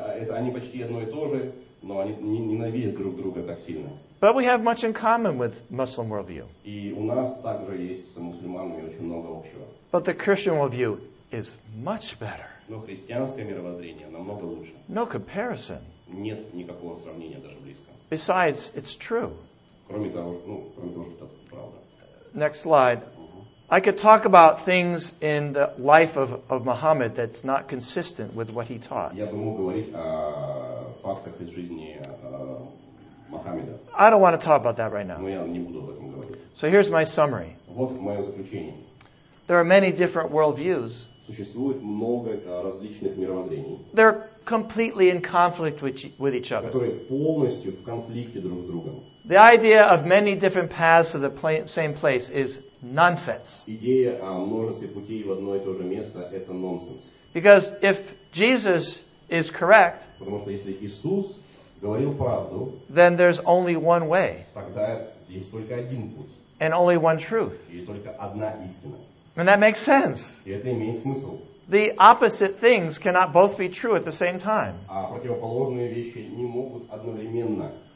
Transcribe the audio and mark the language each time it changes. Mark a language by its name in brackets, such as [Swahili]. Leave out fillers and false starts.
[Russian] Они почти одно и то же, но они ненавидят друг друга так сильно. [English] But we have much in common with Muslim worldview. [Russian] И у нас также есть с мусульманами очень много общего. [English] But the Christian worldview is much better. [Russian] Но христианское мировоззрение намного лучше. [English] No comparison. [Russian] Нет никакого сравнения даже близко. [English] Besides, it's true. [Russian] Кроме того, что это правда. [English] Next slide. I could talk about things in the life of Muhammad that's not consistent with what he taught. [Russian] Я бы мог говорить о фактах из жизни Мухаммеда. [English] I don't want to talk about that right now. [Russian] Но я не буду об этом говорить. [English] So here's my summary. [Russian] Вот мое заключение. [English] There are many different worldviews. [Russian] Существует много различных мировоззрений. [English] They're completely in conflict with each other. [Russian] Которые полностью в конфликте друг с другом. [English] The idea of many different paths to the same place is nonsense. [Russian] Идея о множестве путей в одно и то же место – это нонсенс. [English] Because if Jesus is correct, [Russian] потому что если Иисус говорил правду, [English] then there's only one way. [Russian] Тогда есть только один путь. [English] And only one truth. [Russian] И только одна истина. [English] And that makes sense. [Russian] И это имеет смысл. [English] The opposite things cannot both be true at the same time. [Russian] А противоположные вещи не могут одновременно